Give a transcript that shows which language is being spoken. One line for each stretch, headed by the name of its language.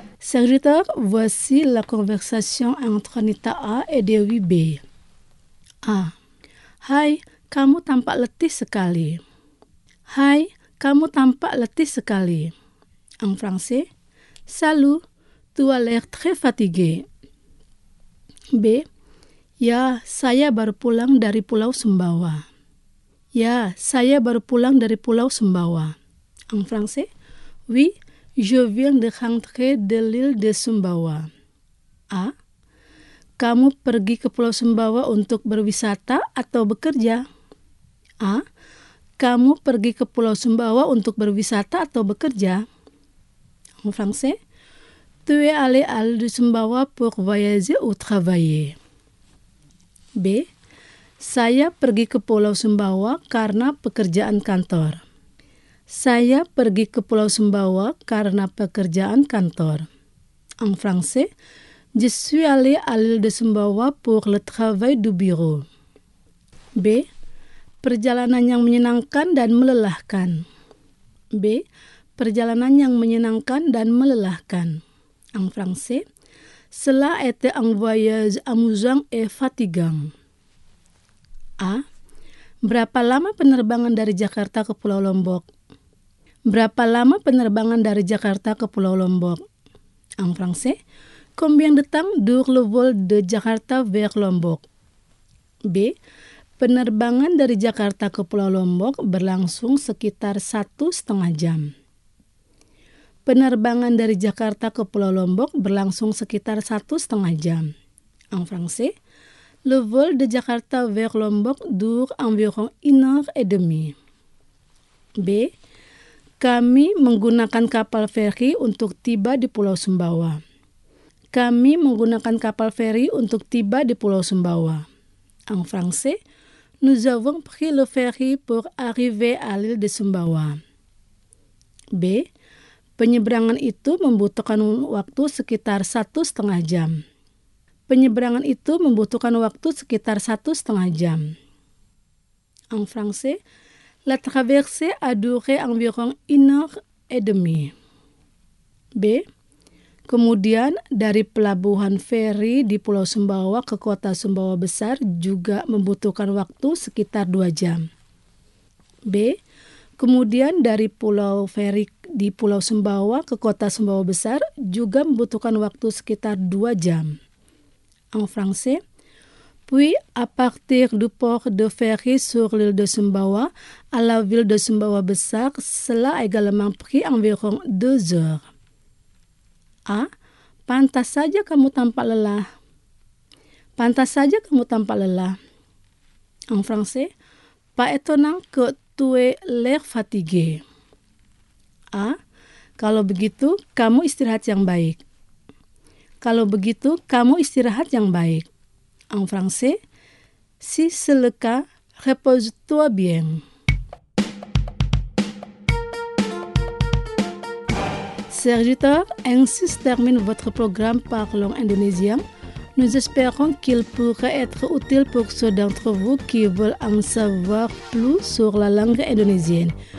French: Serviteur, voici la conversation entre Nita A et Dewi B. A.
Indonesian: Hai, kamu tampak letih sekali. Hai, kamu tampak letih sekali.
French: En français, salut, tu as l'air très fatigué. B.
Indonesian: Ya, saya baru pulang dari Pulau Sumbawa. Ya, saya baru pulang dari Pulau Sumbawa.
French: En français, oui. Je viens de rentrer de l'île de Sumbawa. A.
Indonesian: Kamu pergi ke Pulau Sumbawa untuk berwisata atau bekerja? A. Kamu pergi ke Pulau Sumbawa untuk berwisata atau bekerja?
French: En français. Tu es allé à l'île de Sumbawa pour voyager ou travailler. B.
Indonesian: Saya pergi ke Pulau Sumbawa karena pekerjaan kantor. Saya pergi ke Pulau Sumbawa karena pekerjaan kantor.
French: En français, je suis allé à l'île de Sumbawa pour le travail du bureau. B.
Indonesian: Perjalanan yang menyenangkan dan melelahkan. B. Perjalanan yang menyenangkan dan melelahkan.
French: En français, cela était un voyage amusant et fatigant. A.
Indonesian: Berapa lama penerbangan dari Jakarta ke Pulau Lombok? Berapa lama penerbangan dari Jakarta ke Pulau Lombok?
French: En français, combien de temps dure le vol de Jakarta vers Lombok? B.
Indonesian: Penerbangan dari Jakarta ke Pulau Lombok berlangsung sekitar satu setengah jam. Penerbangan dari Jakarta ke Pulau Lombok berlangsung sekitar satu setengah jam.
French: En français, le vol de Jakarta vers Lombok dure environ une heure et demie. B.
Indonesian: Kami menggunakan kapal feri untuk tiba di Pulau Sumbawa. Kami menggunakan kapal feri untuk tiba di Pulau Sumbawa.
French: En français, nous avons pris le ferry pour arriver à l'île de Sumbawa. B.
Indonesian: Penyeberangan itu membutuhkan waktu sekitar satu setengah jam. Penyeberangan itu membutuhkan waktu sekitar satu setengah jam.
French: En français, la traversée a duré environ une heure et demie. B.
Indonesian: Kemudian, dari pelabuhan feri di Pulau Sumbawa ke kota Sumbawa Besar juga membutuhkan waktu sekitar 2 jam. B. Kemudian dari Pulau Feri di Pulau Sumbawa ke kota Sumbawa Besar juga membutuhkan waktu sekitar 2 jam.
French: En français. Puis, à partir du port de Ferry sur l'île de Sumbawa, à la ville de Sumbawa Besar, cela a également pris environ 2 heures. A.
Indonesian: Pantas saja kamu tampak lelah.
French: En français. Pas étonnant que tu aies l'air fatigué. A.
Indonesian: Kalau begitu, kamu istirahat yang baik. Kalau begitu, kamu istirahat yang baik.
French: En français, si c'est le cas, repose-toi bien. Serviteur, ainsi se termine votre programme Parlons indonésien. Nous espérons qu'il pourrait être utile pour ceux d'entre vous qui veulent en savoir plus sur la langue indonésienne.